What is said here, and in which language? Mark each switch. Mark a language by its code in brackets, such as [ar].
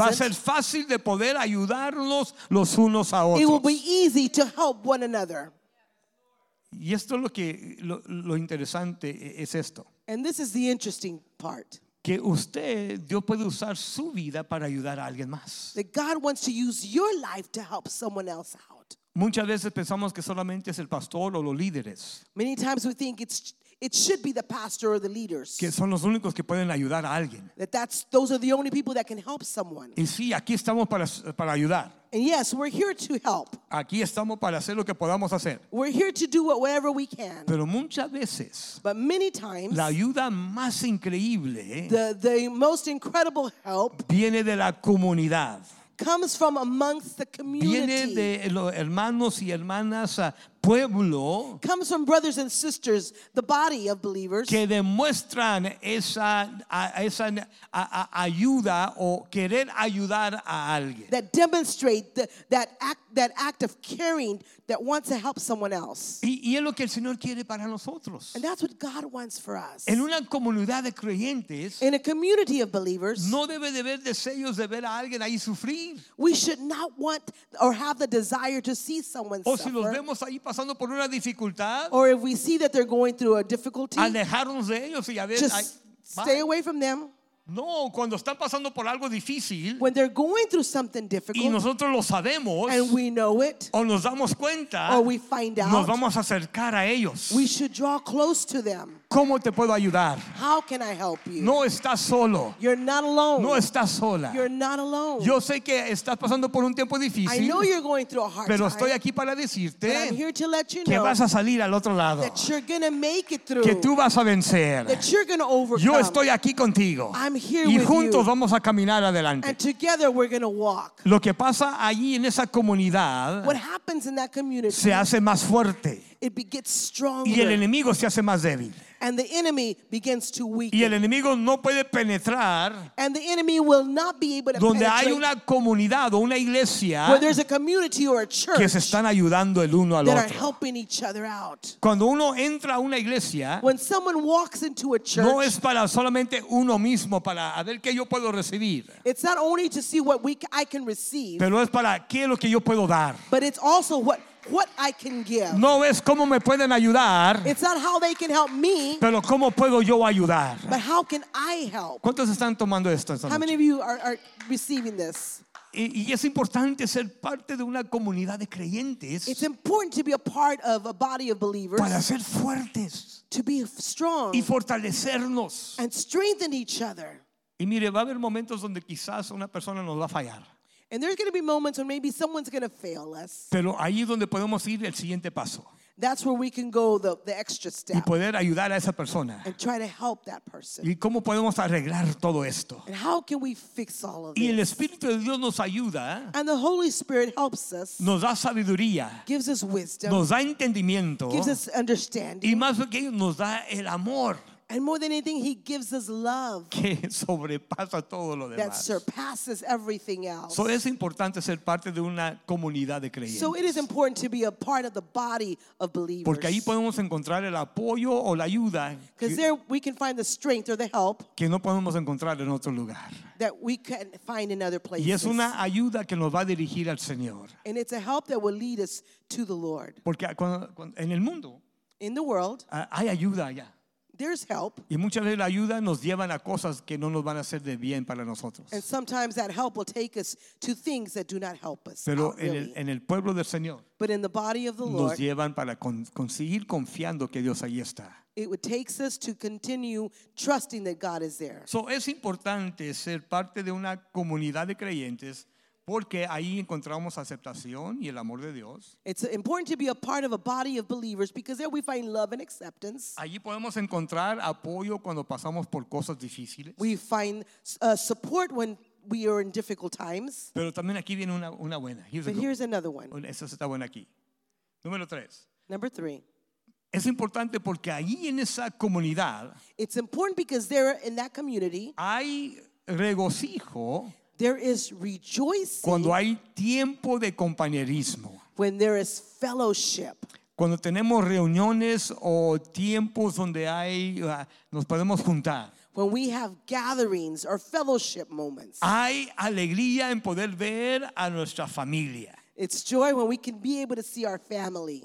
[es] va a ser fácil de poder ayudarnos los unos a otros. [en] It will be easy to help one another. [es] Y esto es lo interesante es esto. [en] And this is the interesting part. [es] Que usted, Dios puede usar su vida para ayudar a alguien más. [en] That God wants to use your life to help someone else out. [es] Muchas veces pensamos que solamente es el pastor o los líderes. [en] Many times we think it should be the pastor or the leaders. [es] Que son los únicos que pueden ayudar a alguien. [en] Those are the only people that can help someone. [es] Y sí, aquí estamos para ayudar. [en] And yes, we're here to help. [es] Aquí estamos para hacer lo que podamos hacer. [en] We're here to do whatever we can. [es] Pero muchas veces, [en] but many times, [es] la ayuda más increíble, [en] the most incredible help, [es] viene de la comunidad. [en] Comes from amongst the community. [es] Viene de los hermanos y hermanas, pueblo. [en] Comes from brothers and sisters, the body of believers. [es] Que demuestran esa ayuda o querer ayudar a alguien. [en] That demonstrate that act of caring, that wants to help someone else. [es] Y es lo que el Señor quiere para nosotros. [en] And that's what God wants for us. [es] En una comunidad de creyentes. [en] In a community of believers. [es] No debe de haber deseos de ver a alguien ahí sufrir. [en] We should not want or have the desire to see someone suffer. [es] O si los vemos ahí pasando por una dificultad. [en] Or if we see that they're going through a difficulty. [es] Alejarnos de ellos y a ver. [en] Just stay away from them. [es] No, cuando están pasando por algo difícil. [en] When they're going through something difficult. [es] Y nosotros lo sabemos. [en] And we know it. [es] O nos damos cuenta. [en] Or we find out. [es] Nos vamos a acercar a ellos. [en] We should draw close to them. [es] ¿Cómo te puedo ayudar? [en] How can I help you? [es] No estás solo. [en] You're not alone. [es] No estás sola. [en] You're not alone. [es] Yo sé que estás pasando por un tiempo difícil. [en] I know you're going through a hard time. [es] Pero estoy aquí para decirte. [en] But I'm here to let you know. [es] Que vas a salir al otro lado. [en] That you're going to make it through. [es] Que tú vas a vencer. [en] That you're going to overcome. [es] Yo estoy aquí contigo. [en] I'm here with you. [es] Y juntos vamos a caminar adelante. [en] And together we're going to walk. [es] Lo que pasa allí en esa comunidad. [en] What happens in that community. [es] Se hace más fuerte. [en] it gets stronger. [es] Y el enemigo se hace más débil. [en] And the enemy begins to weaken. [es] Y el enemigo no puede penetrar. [en] And the enemy will not be able to [es] donde [en] penetrate. [es] Hay una comunidad o una iglesia, [en] where there's a community or a church, [es] que se están ayudando el uno al [en] that [es] otro. [en] Are helping each other out. [es] Cuando uno entra a una iglesia, [en] when someone walks into a church, [es] no es para solamente uno mismo, para a ver qué yo puedo recibir. [en] It's not only to see what I can receive. [es] Pero es para qué es lo que yo puedo dar. [en] But it's also what I can give. [es] No es cómo me pueden ayudar. [en] It's not how they can help me. [es] Pero cómo puedo yo ayudar. [en] But how can I help? [es] ¿Cuántos están tomando esto esta noche? [en] How many of you are receiving this? [es] Y es importante ser parte de una comunidad de creyentes. [en] It's important to be a part of a body of believers. [es] Para ser fuertes. [en] To be strong. [es] Y fortalecernos. [en] And strengthen each other. [es] Y mire, va a haber momentos donde quizás una persona nos va a fallar. [en] And there's going to be moments when maybe someone's going to fail us. [es] Pero ahí es donde podemos ir el siguiente paso. [en] That's where we can go the extra step. [es] Y poder ayudar a esa persona. [en] And try to help that person. [es] ¿Y cómo podemos arreglar todo esto? [en] And how can we fix all of this? [es] Y el Espíritu de Dios nos ayuda. [en] And the Holy Spirit helps us. [es] Nos da sabiduría. [en] Gives us wisdom. [es] Nos da entendimiento. [en] Gives us understanding. [es] Y más que nos da el amor. [en] And more than anything, he gives us love [es] que sobrepasa todo lo demás. [en] That surpasses everything else. [es] So, es importante ser parte de una comunidad de creyentes. [en] So it is important to be a part of the body of believers. [es] Porque ahí podemos encontrar el apoyo o la ayuda. [en] Because there we can find the strength or the help [es] que no podemos encontrar en otro lugar. [en] That we can find in other places. [es] Y es una ayuda que nos va a dirigir al Señor. [en] And it's a help that will lead us to the Lord. [es] Porque cuando, en el mundo, [en] in the world [es] hay ayuda allá. [en] There's help. [es] Y muchas veces la ayuda nos llevan a cosas que no nos van a hacer de bien para nosotros. [en] And sometimes that help will take us to things that do not help us. [es] Pero [en] not really. [es] En el pueblo del Señor. [en] But in the body of the [es] nos [en] Lord. [es] Nos llevan para conseguir confiando que Dios ahí está. [en] It would take us to continue trusting that God is there. [es] So es importante ser parte de una comunidad de creyentes. Porque ahí encontramos aceptación y el amor de Dios. [en] It's important to be a part of a body of believers because there we find love and acceptance. [es] Allí podemos encontrar apoyo cuando pasamos por cosas difíciles. [en] We find support when we are in difficult times. [es] Pero también aquí viene una buena. [en] Here's But here's another one. [es] Esa está buena aquí. Número tres. [en] Number three. [es] Es importante porque allí en esa comunidad. [en] It's important because there in that community. [es] Hay regocijo. [en] There is rejoicing. [es] Cuando hay tiempo de compañerismo. [en] When there is fellowship. [es] Cuando tenemos reuniones o tiempos donde hay nos podemos juntar. [en] When we have gatherings or fellowship moments. [es] Hay alegría en poder ver a nuestra familia. [en] It's joy when we can be able to see our family.